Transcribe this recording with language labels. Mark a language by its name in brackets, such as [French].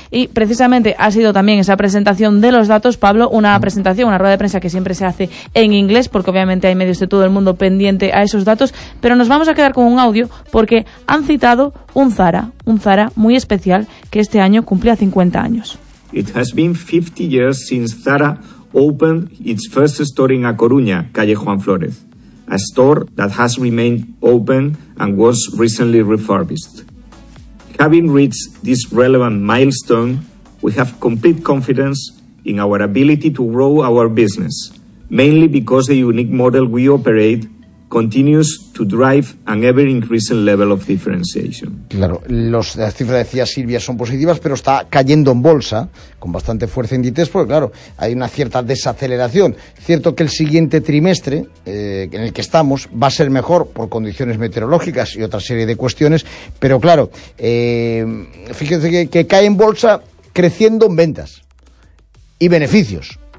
[Spanish] Y precisamente ha sido también esa presentación de los datos, Pablo, una rueda de prensa que siempre se hace en inglés, porque obviamente hay medios de todo el mundo pendiente a esos datos, pero nos vamos a quedar con un audio porque han citado un Zara muy especial que este año cumplía 50 años. [English] It has been 50 years since Zara opened its first store in A Coruña, Calle Juan Flores, a store that has remained open and was recently refurbished. Having reached this relevant milestone, we have complete confidence in our ability to grow our business, mainly because the unique model we operate continues to drive an ever increasing level of differentiation. [Spanish] Claro, las cifras decía Silvia son positivas, pero está cayendo en bolsa con bastante fuerza Inditex, porque claro, hay una cierta desaceleración. Cierto que el siguiente trimestre en el que estamos va a ser mejor por condiciones meteorológicas y otra serie de cuestiones, pero claro, fíjense que cae en bolsa creciendo en ventas y beneficios.